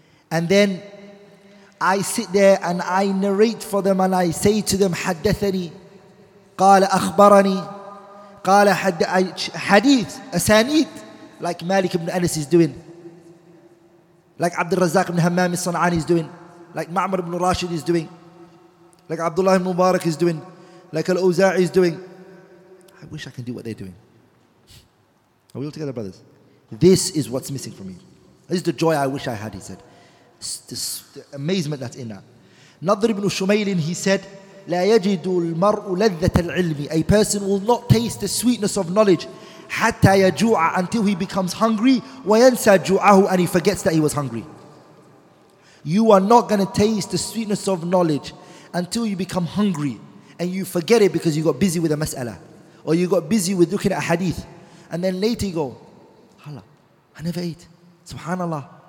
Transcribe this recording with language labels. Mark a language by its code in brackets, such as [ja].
[en] And then I sit there and I narrate for them and I say to them, [ar] حَدَّثَنِي قَالَ أَخْبَرَنِي قَالَ حَدِيث أَسَانِيث, [en] like Malik ibn Anas is doing, like Abdul Razak ibn Hammam al-San'ani is doing, like Ma'mar ibn Rashid is doing, like Abdullah ibn Mubarak is doing, like Al-Uza'i is doing. I wish I can do what they're doing. Are we all together, brothers? This is what's missing for me. This is the joy I wish I had, he said. This, the amazement that's in that. Nadr ibn Shumaylin, he said, [ar] لا يجد المرء لذة العلم. [en] A person will not taste the sweetness of knowledge [ar] حتى يجوع, [en] until he becomes hungry, [ar] وينسى جوعه, [en] and he forgets that he was hungry. You are not going to taste the sweetness of knowledge until you become hungry and you forget it because you got busy with a mas'ala or you got busy with looking at a hadith, and then later you go, Allah, I never ate. Subhanallah.